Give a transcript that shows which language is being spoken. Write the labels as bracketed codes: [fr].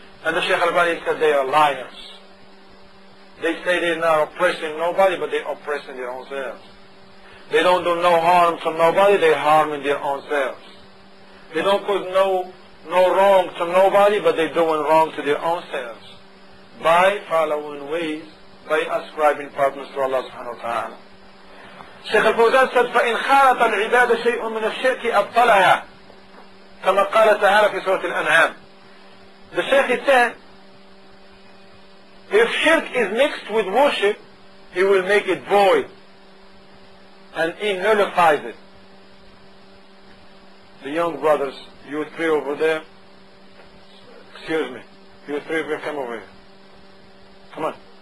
[en] And the Sheikh Al-Bani said, they are liars. They say they're not oppressing nobody, but they're oppressing their own selves. They don't do no harm to nobody, they're harming their own selves. They don't cause no wrong to nobody, but they're doing wrong to their own selves by following ways, by ascribing partners to Allah subhanahu wa ta'ala. Shaykh al-Fawzan said, [ar] فَإِنْ خَالَطَ الْعِبَادَ شَيْءٌ مِنَ الشِّرْكِ أَبْطَلَهَا كما قال تعالى في سورة الأنعام. [en] The Shaykh said, if shirk is mixed with worship, he will make it void and he nullifies it. The young brothers, you three over there, excuse me, you three of you, come over here. Come on.